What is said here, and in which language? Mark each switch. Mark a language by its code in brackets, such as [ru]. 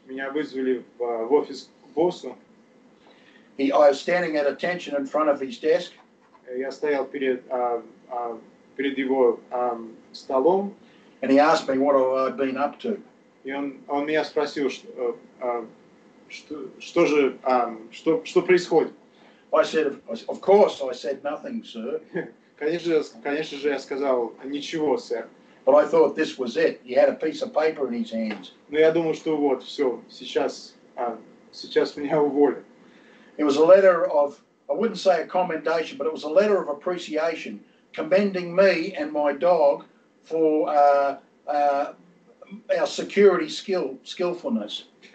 [ru] Меня вызвали в офис к боссу. [en] I was standing at attention in front of his desk. [ru] Я стоял перед его столом. [en] And he asked me what I'd been up to. [ru] И он меня спросил, что происходит? [en] I said, of course, nothing, sir. [ru] конечно же, я сказал ничего, сэр. [en] But I thought this was it. He had a piece of paper in his hands. [ru] Но я думал, что вот все, сейчас меня уволят. [en] It was a letter of, I wouldn't say a commendation, but it was a letter of appreciation, commending me and my dog for our security skillfulness.